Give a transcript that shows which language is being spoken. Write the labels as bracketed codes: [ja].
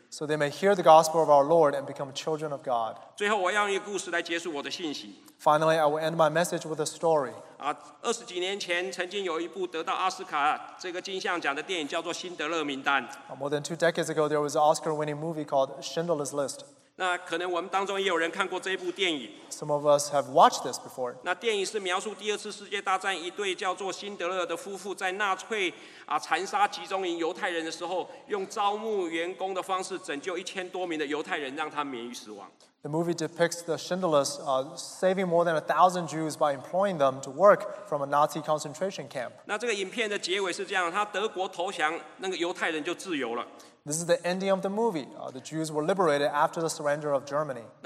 [en] So they may hear the gospel of our Lord and become children of God. [zh] 最后我要用一个故事来结束我的信息。 [en] Finally, I will end my message with a story. [zh] 20几年前曾经有一部得到奥斯卡这个金像奖的电影叫做《辛德勒名单》。 [en] More than 2 decades ago, there was an Oscar-winning movie called Schindler's List. [zh] 那可能我们当中也有人看过这部电影。 [en] Some of us have watched this before. [zh] 那电影是描述第二次世界大战一对叫做辛德勒的夫妇在纳粹残杀集中营犹太人的时候，用招募员工的方式拯救1000多名的犹太人，让他免于死亡。 [en] The movie depicts the Schindlers saving more than 1,000 Jews by employing them to work from a Nazi concentration camp. [zh] 那这个影片的结尾是这样，他德国投降，那个犹太人就自由了。 [en] This is the ending of the movie. The Jews were liberated after the surrender of Germany.